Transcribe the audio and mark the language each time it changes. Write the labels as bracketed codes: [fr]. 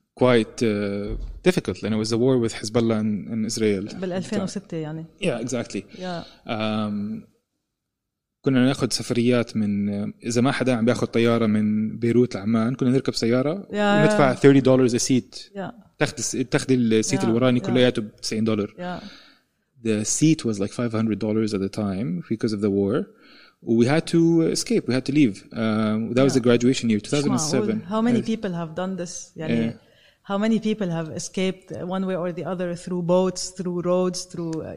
[en] quite difficult. And it was a war with Hezbollah and Israel. [ar] بال2006. [en] Yeah, exactly. Yeah. [ar] كنا ناخد سفريات من إذا ما حدا عم بياخد طيارة من بيروت لعمان كنا نركب سيارة وندفع $30 [en] a seat. Yeah. [ar] تاخدي السيت الوراني كلياته $90. [en] Yeah. The seat was like $500 at the time because of the war. We had to escape. We had to leave. That was the graduation year, 2007. How many people have done this? How many people have escaped one way or the other through boats, through roads, through...